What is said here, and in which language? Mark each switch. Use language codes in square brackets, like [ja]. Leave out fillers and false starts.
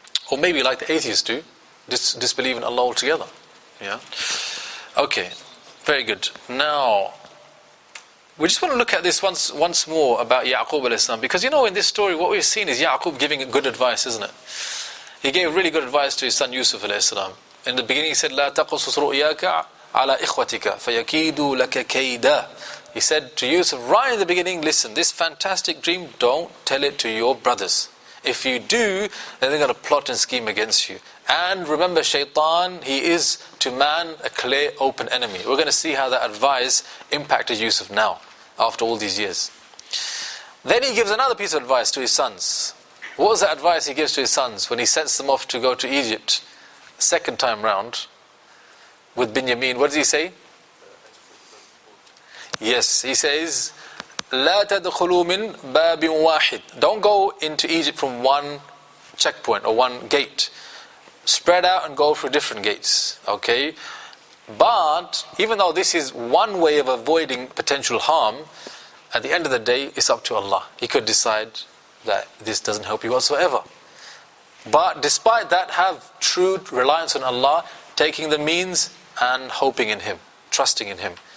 [en] Or maybe like the atheists do, disbelieve in Allah altogether. Yeah. Okay, very good. Now, we just want to look at this once more about Ya'qub al-Islam. Because you know, in this story, what we've seen is Ya'qub giving good advice, isn't it? He gave really good advice to his son Yusuf al-Islam. In the beginning he said, [ar] لا تقصص رؤياك على إخوتك فيكيدوا لك كيدا. [en] He said to Yusuf right in the beginning, listen, this fantastic dream, don't tell it to your brothers. If you do, then they're going to plot and scheme against you. And remember, Shaytan, he is to man a clear, open enemy. We're going to see how that advice impacted Yusuf now, after all these years. Then he gives another piece of advice to his sons. What was the advice he gives to his sons when he sends them off to go to Egypt, second time round, with Binyamin? What does he say? Yes, he says, [ar] لا تدخلوا من باب واحد. [en] Don't go into Egypt from one checkpoint or one gate. Spread out and go through different gates. Okay? But even though this is one way of avoiding potential harm, at the end of the day, it's up to Allah. He could decide that this doesn't help you whatsoever. But despite that, have true reliance on Allah, taking the means and hoping in Him, trusting in Him.